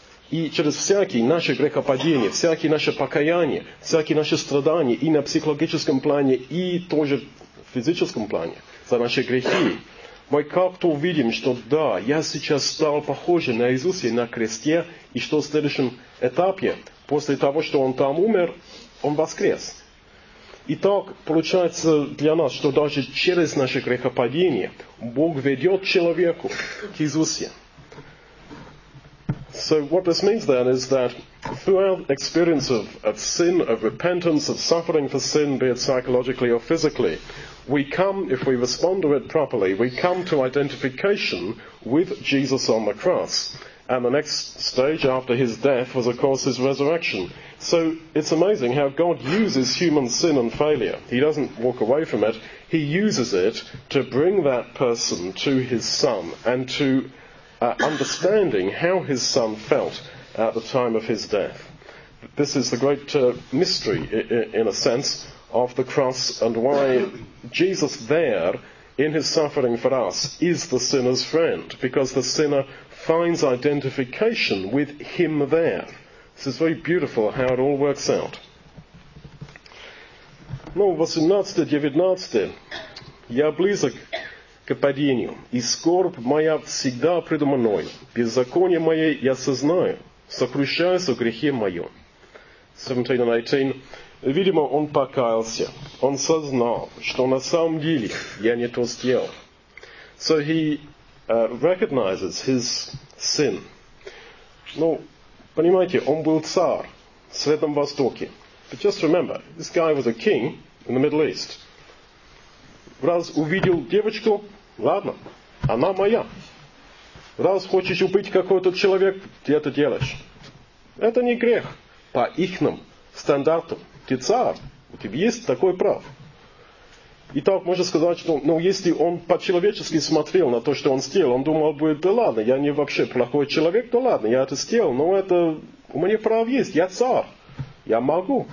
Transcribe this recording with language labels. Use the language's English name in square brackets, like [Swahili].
[Russian] И через всякие наши грехопадения, всякие наши покаяния, всякие наши страдания и на психологическом плане, и тоже в физическом плане, за наши грехи, мы как-то увидим, что да, я сейчас стал похожим на Иисуса на кресте, и что в следующем этапе, после того, что он там умер, он воскрес. И так получается для нас, что даже через наше грехопадение Бог ведет человеку к Иисусе. [English] So what this means then is that through our experience of sin, of repentance, of suffering for sin, be it psychologically or physically, we come, if we respond to it properly, we come to identification with Jesus on the cross. And the next stage after his death was, of course, his resurrection. So it's amazing how God uses human sin and failure. He doesn't walk away from it. He uses it to bring that person to his son and to understanding how his son felt at the time of his death. This is the great mystery, in a sense, of the cross and why Jesus there in his suffering for us is the sinner's friend, because the sinner finds identification with him there. This is very beautiful how it all works out. [Russian] Ну, 18-19. Я близок к падению, и скорбь моя всегда предо мной. Беззаконие мое я сознаю, сокрушаюсь о грехе моем. 17-18. Видимо, он покаялся. Он сознал, что на самом деле я не то сделал. [English] So he recognizes his sin. [Russian] Ну, понимаете, он был царь в Среднем Востоке. [English] But just remember, this guy was a king in the Middle East. [Russian] Раз увидел девочку, ладно, она моя. Раз хочешь убить какой-то человек, ты это делаешь. Это не грех. По ихним стандартам. Ты царь, у тебя есть такой прав. Итак, можно сказать, что ну, если он по-человечески смотрел на то, что он сделал, он думал бы, да ладно, я не вообще плохой человек, да ладно, я это сделал, но это у меня прав есть, я царь, я могу.